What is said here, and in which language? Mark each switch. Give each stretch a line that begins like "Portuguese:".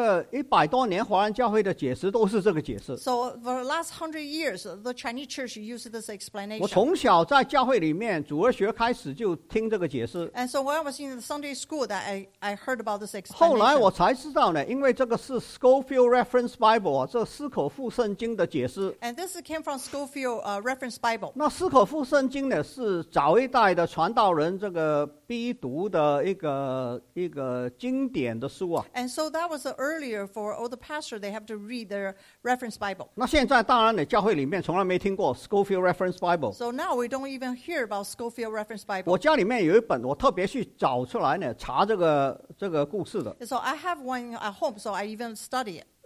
Chinese: 那这个在华人教会的里面呢，这100多年华人教会的解释都是这个解释。
English: So for the last 100 years, the Chinese church uses this explanation.
Chinese: 我从小在教会里面，主日学开始就听这个解释。
English: And so when I was in the Sunday school, that I heard about this explanation.
Chinese: 后来我才知道呢，因为这个是 Scofield Reference Bible, 这斯可夫圣经的解释。
English: And this came from Scofield Reference Bible.
Chinese: 那斯可夫圣经呢，是早一代的传道人这个。必读的一个经典的书啊。
English: And so that was earlier for all the pastors, they have to read their reference Bible.
Chinese: 那现在当然呢，教会里面从来没听过 Scofield Reference Bible.
English: So now we don't even hear about Scofield Reference Bible.
Chinese: 我家里面有一本，我特别去找出来呢，查这个故事的。
English: So I have one at home, so I even study it.